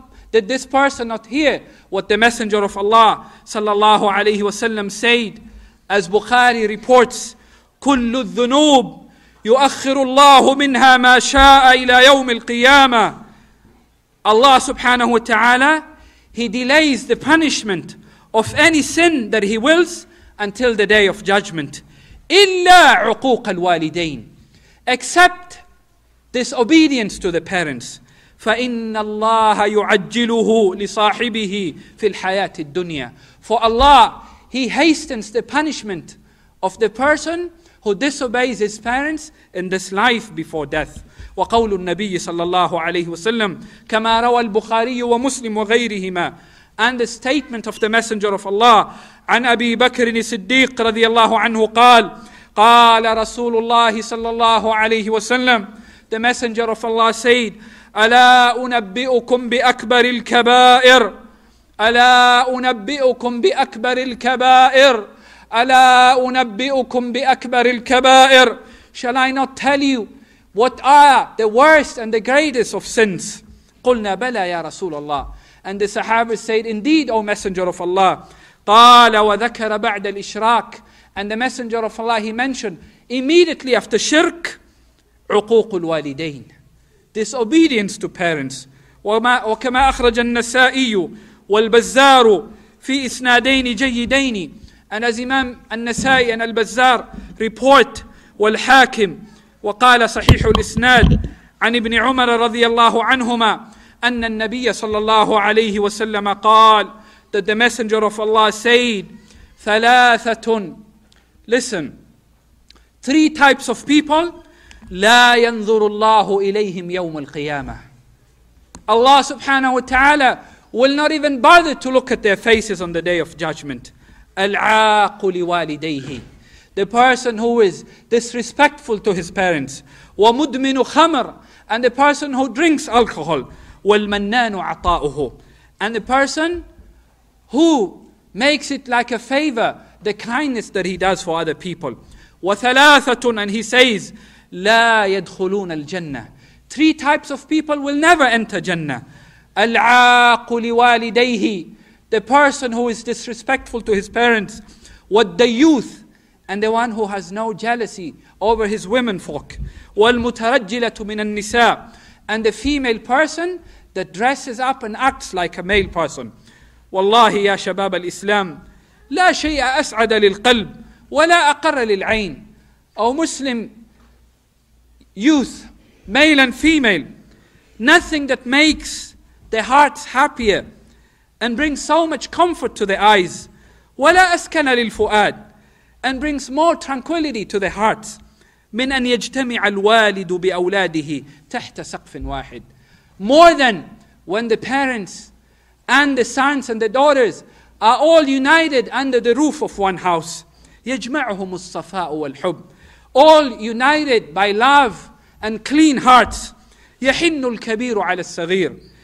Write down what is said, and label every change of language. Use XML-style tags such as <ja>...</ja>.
<en>Did this person not hear what the messenger of Allah sallallahu alayhi wa sallam said? As Bukhari reports,</en> <ar>كل الذنوب يؤخر الله منها ما شاء إلى يوم القيامة.</ar> <en>Allah subhanahu wa ta'ala, He delays the punishment of any sin that He wills until the day of judgment.</en> <ar>إلا عقوق الوالدين.</ar> <en>Except disobedience to the parents.</en> <ar>فإن الله يعجله لصاحبه في الحياة الدنيا.</ar> <en>For Allah, He hastens the punishment of the person who disobeys his parents in this life before death.</en> <ar>وقول النبي صلى الله عليه وسلم كما روى البخاري ومسلم وغيرهما.</ar> <en>And the statement of the Messenger of Allah</en> <ar>عن أبي بكر الصديق رضي الله عنه قال قال رسول الله صلى الله عليه وسلم.</ar> <en>The Messenger of Allah said,</en> <ar>ألا أنبئكم بأكبر الكبائر. ألا أنبئكم بأكبر الكبائر. ألا أنبئكم بأكبر الكبائر.</ar> <en>Shall I not tell you what are the worst and the greatest of sins?</en> <ar>قلنا بلى يا رسول الله.</ar> <en>And the Sahaba said, indeed, O Messenger of Allah.</en> <ar>قال وذكر بعد الإشراك.</ar> <en>And the Messenger of Allah, he mentioned immediately after shirk,</en> <ar>عقوق الوالدين.</ar> <en>Disobedience to parents.</en> <ar>وكما أخرج النسائي والبزار في إسنادين جيدين.</ar> <en>And as Imam An-Nasai and Al-Bazzar report,</en> <ar>وَالْحَاكِمْ وَقَالَ صَحِيحُ الْإِسْنَادِ عَنْ إِبْنِ عُمَرَ رَضِيَ اللَّهُ عَنْهُمَا أَنَّ النَّبِيَّ صَلَّى اللَّهُ عَلَيْهِ وَسَلَّمَ قَالَ.</ar> <en>That the Messenger of Allah said,</en> <ar>ثَلَاثَةٌ.</ar> <en>Listen, three types of people,</en> <ar>لَا يَنْظُرُ اللَّهُ إِلَيْهِمْ يَوْمَ الْقِيَامَةِ.</ar> <en>Allah subhanahu wa ta'ala will not even bother to look at their faces on the day of judgment.</en> <ar>العاق لوالديه.</ar> <en>The person who is disrespectful to his parents.</en> <ar>ومدمن خمر.</ar> <en>And the person who drinks alcohol.</en> <ar>والمنان عطاؤه.</ar> <en>And the person who makes it like a favor, the kindness that he does for other people.</en> <ar>وثلاثة.</ar> <en>And he says,</en> <ar>لا يدخلون الجنة.</ar> <en>Three types of people will never enter Jannah.</en> <ar>العاق لوالديه.</ar> <en>The person who is disrespectful to his parents. What the youth. And the one who has no jealousy over his women folk.</en> <ar>والمترجلة من النساء.</ar> <en>And the female person that dresses up and acts like a male person.</en> <ar>والله يا شباب الإسلام لا شيء أسعد للقلب ولا أقر للعين.</ar> <en>Oh Muslim youth, male and female, nothing that makes the hearts happier and brings so much comfort to the eyes.</en> <ar>وَلَا أَسْكَنَ لِلْفُؤَادِ.</ar> <en>And brings more tranquility to the hearts.</en> <ar>من أن يجتمع الوالد بأولاده تحت سقف واحد.</ar> <en>More than when the parents and the sons and the daughters are all united under the roof of one house.</en> <ar>يجمعهم الصفاء والحب.</ar> <en>All united by love and clean hearts.</en> <ar>يحن الكبير على الصغير.</ar>